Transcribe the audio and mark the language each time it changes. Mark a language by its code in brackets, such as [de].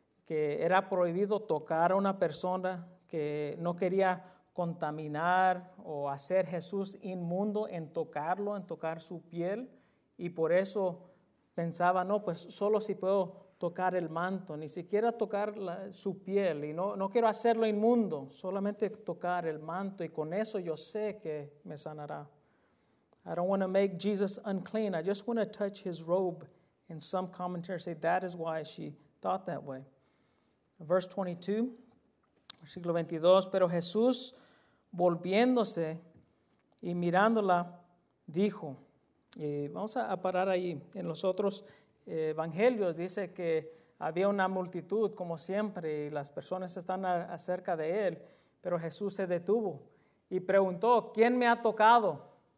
[es] que era prohibido tocar a una persona que no quería contaminar o hacer Jesús inmundo en tocarlo, en tocar su piel. Y por eso pensaba, no, pues solo si puedo tocar el manto, ni siquiera tocar su piel. Y no quiero hacerlo inmundo, solamente tocar el manto. Y con eso yo sé que me sanará. [en] I don't want to make Jesus unclean. I just want to touch his robe. And some commentators say that is why she thought that way. Verse 22, [es] versículo 22, pero Jesús volviéndose y mirándola dijo, y vamos a parar ahí, en los otros evangelios dice que había una multitud como siempre y las personas están cerca de él, pero Jesús se detuvo y preguntó, ¿quién me ha tocado?